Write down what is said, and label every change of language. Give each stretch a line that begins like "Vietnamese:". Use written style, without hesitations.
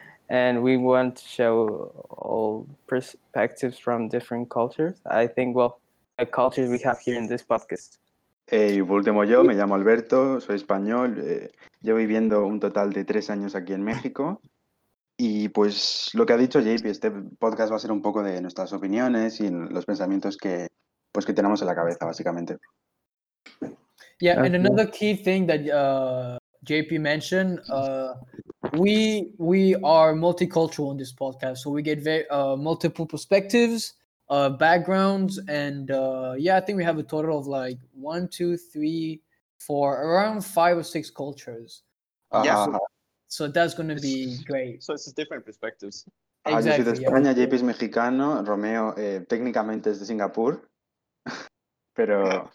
English: And we want to show all perspectives from different cultures. I think, well, the cultures we have here in this podcast.
Spanish: Hey, último yo, me llamo Alberto, soy español. Yo viviendo un total de 3 años aquí en México. Y pues lo que ha dicho JP, este podcast va a ser un poco de nuestras opiniones y los pensamientos que tenemos en la cabeza, básicamente.
English: Yeah, and another key thing that JP mentioned, we are multicultural in this podcast, so we get multiple perspectives, backgrounds, and yeah, I think we have a total of like 1, 2, 3, 4, around 5 or 6 cultures. So that's going to be great. So it's different perspectives. Exactly.
Spanish: Yo soy de España, JP es mexicano, Romeo técnicamente es de Singapur, pero